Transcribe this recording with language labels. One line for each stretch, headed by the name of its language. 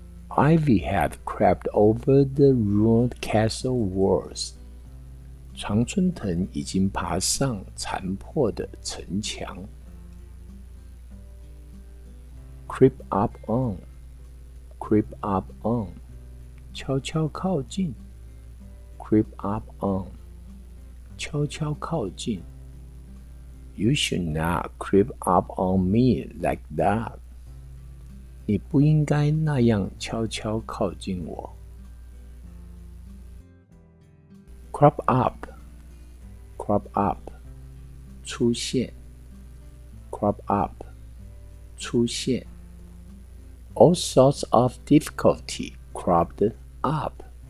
English: Ivy had crept over the ruined castle walls.
Chinese: 常春藤已经爬上残破的城墙。
English: Creep up on, creep up on,
Chinese: 悄悄靠近。
English: Creep up on,
Chinese: 悄悄靠近。
English: You should not creep up on me like that.
Chinese: 你不应该那样悄悄靠近我。
English: Crop up, crop up,
Chinese: 出现。
English: Crop up,
Chinese: 出现。
English: All sorts of difficulty cropped up.